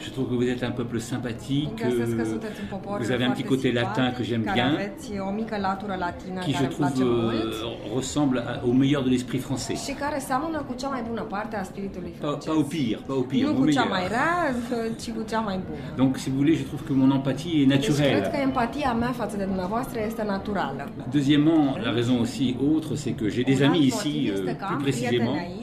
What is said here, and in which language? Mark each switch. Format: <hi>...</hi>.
<fr>Je trouve que vous êtes un peuple sympathique. Vous avez un petit côté latin que j'aime bien.</fr> <ro>O mică latură latină</ro> <fr>qui, je trouve, ressemble au meilleur de l'esprit français.</fr> <ro>Și care seamănă cu cea mai bună parte a spiritului</ro> <fr>français. Pas au pire,</fr> <ro>nu cu cea mai rea, ci cu cea mai bună.</ro> <fr>Donc, si vous voulez, je trouve que mon empathie est naturelle.</fr> <ro>Deci, cred că empatia mea față de dumneavoastră este naturală.</ro> <fr>Deuxièmement, la raison aussi autre, c'est que j'ai des amis ici, plus précisément.</fr>